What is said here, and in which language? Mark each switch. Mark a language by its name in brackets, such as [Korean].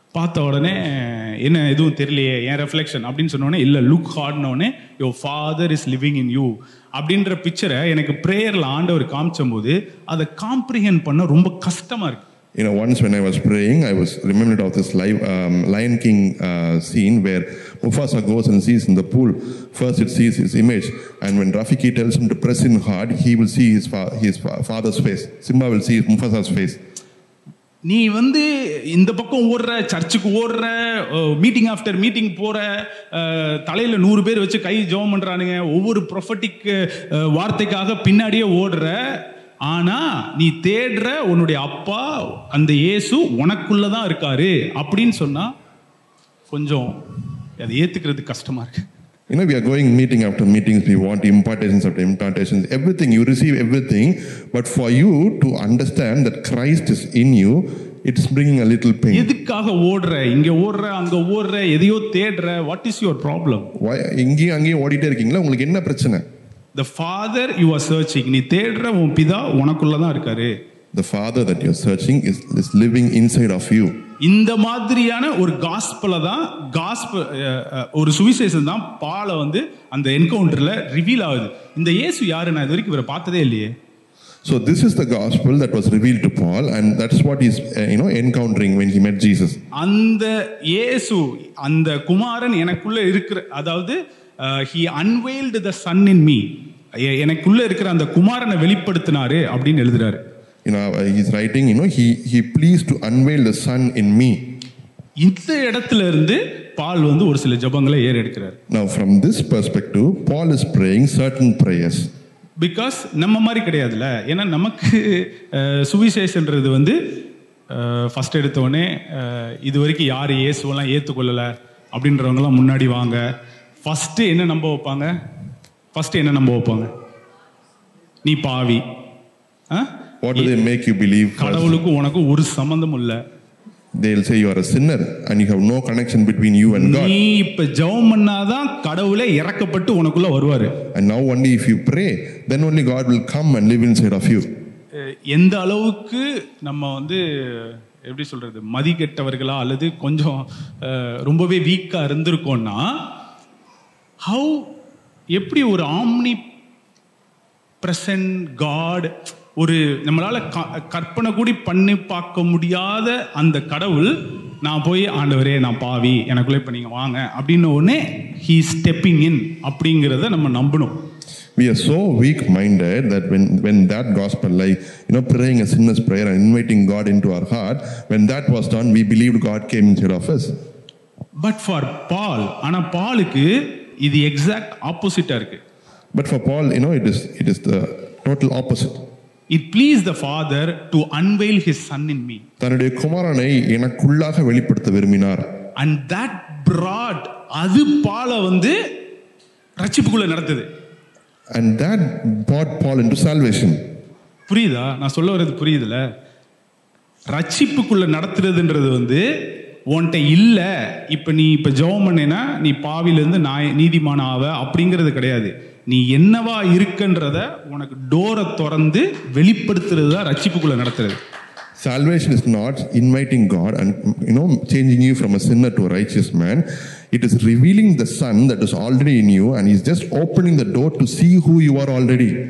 [Tamil] பார்த்த உடனே என்ன எதுவும் தெரியலையே என் ரெஃப்ளெக்ஷன் அப்படின்னு சொன்னோடனே, இல்லை look ஹார்ட்னோடனே [English] your father is living in you [Tamil] அப்படின்ற பிக்சரை எனக்கு ப்ரேயரில் ஆண்டவர் காமிச்சும் போது அதை காம்ப்ரிஹெண்ட் பண்ண ரொம்ப கஷ்டமாக இருக்கு. [English] You know, once when I was praying, I was reminded of this Lion King scene where Mufasa goes and sees in the pool. First, it sees his image. And when Rafiki tells him to press in hard, he will see his father's face. Simba will see Mufasa's face. [Tamil] நீ வந்து இந்த பக்கம் ஓடுற, சர்ச்சுக்கு ஓடுற, meeting after meeting போற, தலையில 100 பேர் வச்சு கை ஜெபம் பண்றானுங்க, ஒவ்வொரு ப்ரொஃபட்டிக் வார்த்தைக்காக பின்னாடியே ஓடுற, ஆனா நீ தேடுற உன்னுடைய அப்பா அந்த இயேசு உனக்குள்ளதான் இருக்காரு அப்படின்னு சொன்னா கொஞ்சம் அதை ஏத்துக்கிறது கஷ்டமா இருக்கு. [English] You know, we are going meeting after meetings, we want impartations after impartations, everything, you receive everything, but for you to understand that Christ is in you, it's bringing a little pain. [Tamil] எதுக்காக ஓடுற, இங்க ஓடுற, அங்க ஓடுற, எதையோ தேடுற, [English] what is your problem? [Tamil] Why இங்கே அங்கே ஓடிட்டே இருக்கீங்களா, உங்களுக்கு என்ன பிரச்சனை? [English] The father you are searching, [Tamil] நீ தேடுற உன் பிதா உனக்குள்ள தான் இருக்காரு. [English] The father that you are searching is living inside of you. [Tamil] இந்த மாதிரியான ஒரு காஸ்பல தான், காஸ்பல் ஒரு சுவிசேஷம் தான் பால வந்து அந்த என்கவுண்டர்ல ரிவீல் ஆகுது. இந்த இயேசு யாரு நான் இது வரைக்கும் இவரை பார்த்ததே இல்லையே. [English] So this is the gospel that was revealed to Paul, and that's what he's encountering when he met Jesus. [Tamil] அந்த இயேசு, அந்த குமாரன் எனக்குள்ள இருக்கிற, அதாவது [English] he unveiled the son in me, [Tamil] எனக்குள்ள இருக்கிற அந்த குமாரனை வெளிப்படுத்தினாரு அப்படின்னு எழுதுறாரு. [English] You know, he's writing, he pleased to unveil the son in me. [Tamil] இந்த இடத்துல இருந்து பால் வந்து ஒரு சில ஜபங்களை ஏறெடுக்கிறார். [English] Now from this perspective, Paul is praying certain prayers. [Tamil] Because நம்ம மாதிரி கிடையாதுல, ஏன்னா நமக்கு சுவிசேஷன்றது வந்து ஃபஸ்ட் எடுத்தோடனே இது வரைக்கும் யார் இயேசுவெல்லாம் ஏற்றுக்கொள்ளலை அப்படின்றவங்கலாம் முன்னாடி வாங்க, ஃபஸ்ட்டு என்ன நம்ப வைப்பாங்க, ஃபஸ்ட்டு என்ன நம்ப வைப்பாங்க, நீ பாவி, [English] What do they make you believe? [Tamil] கடவுளுக்கு உனக்கு ஒரு சம்பந்தம் இல்லை. [English] They'll say you are a sinner and you have no connection between you and God. [Tamil] நீ இப்ப ஜெபம் பண்ணாதான் கடவுளே இறக்கப்பட்டு உனக்குள்ள வருவாரு. [English] And now only if you pray, then only God will come and live inside of you. [Tamil] எந்த அளவுக்கு நம்ம வந்து எப்படி சொல்றது, மதிக்கெட்டவர்களா அல்லது கொஞ்சம் ரொம்பவே வீக்கா இருந்திருக்கோம்னா, how எப்படி ஒரு ஆம்னி பிரசன்ட் God, ஒரு நம்மளால் கற்பனை கூடி பண்ணி பார்க்க முடியாத அந்த கடவுள், நான் போய் ஆண்டவரே நான் பாவி எனக்குள்ளே இப்போ நீங்கள் வாங்க அப்படின்ன உடனே [English] he stepping in [Tamil] அப்படிங்கிறத நம்ம நம்பணும். [English] We are so weak minded that when that gospel, like, you know, praying a sinner's prayer and inviting God into our heart, when that was done, we believed God came inside of us. But for Paul, [Tamil] ஆனா பாலுக்கு இது exact ஆப்போசிட்டாக இருக்கு. [English] But for Paul, you know, it is the total opposite. It pleased the Father to unveil His Son in me. [Tamil] தன்னுடைய குமாரனை எனக்குள்ளாக வெளிப்படுத்த விரும்பினார். [English] And that brought [Tamil] அது பால வந்து ரட்சிப்புக்குள்ள நடந்தது. [English] And that brought Paul into salvation. [Tamil] புரியுதா? நான் சொல்ல வரது புரியுதுல? ரட்சிப்புக்குள்ள நடத்துறதுன்றது வந்து உன்கிட்ட இல்லை, இப்போ நீ இப்போ ஜெபம் பண்ணினா நீ பாவிலிருந்து நான் நீதிமான் ஆவ அப்படிங்கிறது கிடையாது. நீ என்னவா இருக்குன்றத உனக்கு டோரை திறந்து வெளிப்படுத்துறது தான் ரட்சிப்புக்குள்ள நடத்துறது. [English] Salvation is not inviting God and, you know, changing you from a sinner to a righteous man. It is revealing the Son that is already in you and He's just opening the door to see who you are already.